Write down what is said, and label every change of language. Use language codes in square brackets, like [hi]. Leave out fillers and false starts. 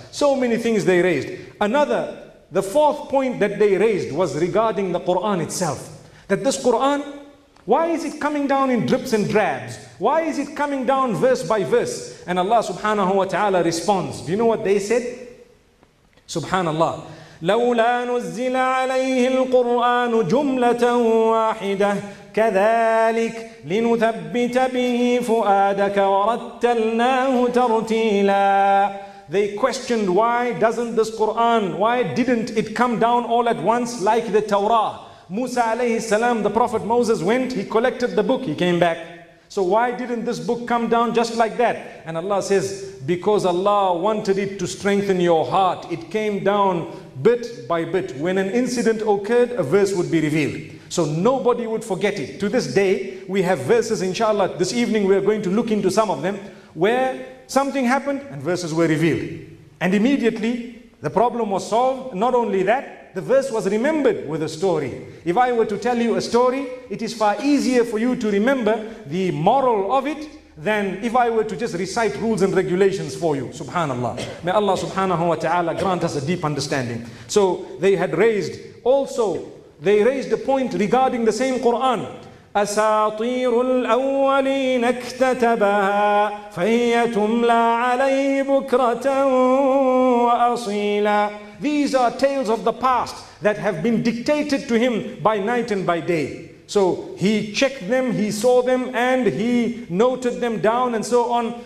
[en] So many things they raised. Another, the fourth point that they raised was regarding the Quran itself. That this Quran, why is it coming down in drips and drabs? Why is it coming down verse by verse? And Allah subhanahu wa ta'ala responds. Do you know what they said? Subhanallah. [ar] لولا نزل عليه القرآن جملة واحدة كذلك لنثبت به فؤادك ورتلناه ترتيلا. [en] They questioned, why doesn't this Quran, why didn't it come down all at once like the Torah? Musa alayhi salam, the Prophet Moses went, he collected the book, he came back. So why didn't this book come down just like that? And Allah says, because Allah wanted it to strengthen your heart. It came down bit by bit. When an incident occurred, a verse would be revealed. So nobody would forget it. To this day, we have verses, inshallah, this evening we are going to look into some of them, where something happened and verses were revealed. And immediately, the problem was solved. Not only that, the verse was remembered with a story. If I were to tell you a story, it is far easier for you to remember the moral of it than if I were to just recite rules and regulations for you. Subhanallah. May Allah subhanahu wa ta'ala grant us a deep understanding. So they had raised, also, they raised a point regarding the same Quran. [ar] أساطير الأولين اكتتبها فهي تملى عليه بكرة وأصيلا. [en] These are tales of the past that have been dictated to him by night and by day. So he checked them, he saw them, and he noted them down and so on.